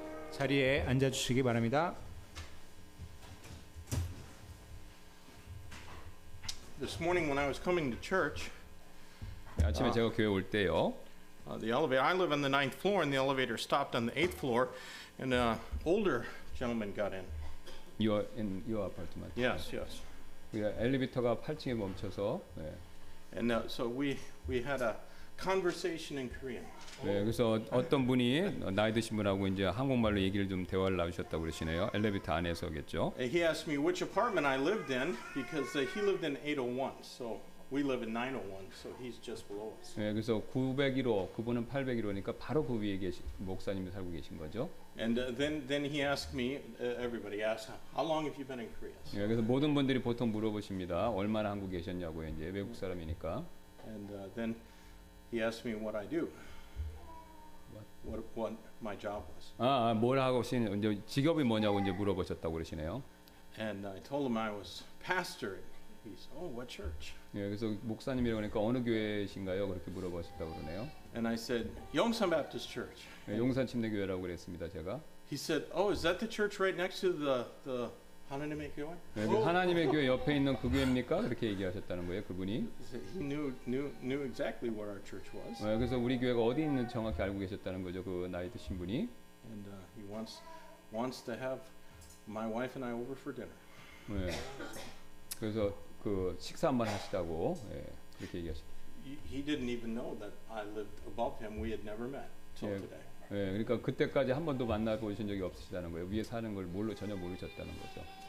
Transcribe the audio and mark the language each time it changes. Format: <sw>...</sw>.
<ko>자리에 앉아주시기 바랍니다.</ko> <en>This morning when I was coming to church,</en> <ko>아침에 제가 교회 올 때요.</ko> <en>The elevator, I live on the ninth floor and the elevator stopped on the eighth floor and an older gentleman got in. You are in your apartment. Yes, yes.</en> <ko>우리가 엘리베이터가 8층에 멈춰서 네.</ko> <en>And so we had a conversation in Korean.</en> <ko>네, 그래서 어떤 분이 나이 드신 분하고 이제 한국말로 얘기를 좀 대화를 나누셨다고 그러시네요. 엘리베이터 안에서겠죠.</ko> <en>He asked me which apartment I lived in because he lived in 801. So we live in 901. So he's just below us.</en> <ko>네, 그래서 901호 그분은 801호니까 바로 그 위에 계신 목사님이 살고 계신 거죠.</ko> <en>And then he asked me everybody asked how long have you been in Korea.</en> <ko>네, 그래서 모든 분들이 보통 물어보십니다. 얼마나 한국에 계셨냐고 이제 외국 사람이니까.</ko> <en>And then he asked me what I do. What my job was.</en> <ko>아, 뭘 하고 계신 이제 직업이 뭐냐고 이제 물어보셨다고 그러시네요.</ko> <en>And I told him I was pastor. He said, "Oh, what church?"</en> <ko>예, 그래서 목사님이라고 하니까 어느 교회신가요? 그렇게 물어보셨다고 그러네요.</ko> <en>And I said, "Yongsan Baptist Church."</en> <ko>예, 용산 침례 교회라고 그랬습니다, 제가.</ko> <en>He said, "Oh, is that the church right next to the 하나님의 교회?"</en> <ko>예, 그 하나님의 교회 옆에 있는 그 교회입니까? 그렇게 얘기하셨다는 거예요, 그분이.</ko> <en>He knew exactly where our church was.</en> <ko>예, 그래서 우리 교회가 어디 있는지 정확히 알고 계셨다는 거죠, 그 나이 드신 분이.</ko> <en>And he wants to have my wife and I over for dinner.</en> <ko>예. 그래서 그 식사 한번 하시다고 예, 그렇게 얘기하셨다.</ko> <en>He didn't even know that I lived above him. We had never met till</en> <ko>예,</ko> <en>today.</en> <ko>예, 그러니까 그때까지 한 번도 만나 보신 적이 없으시다는 거예요. 위에 사는 걸 몰로 전혀 모르셨다는 거죠.</ko>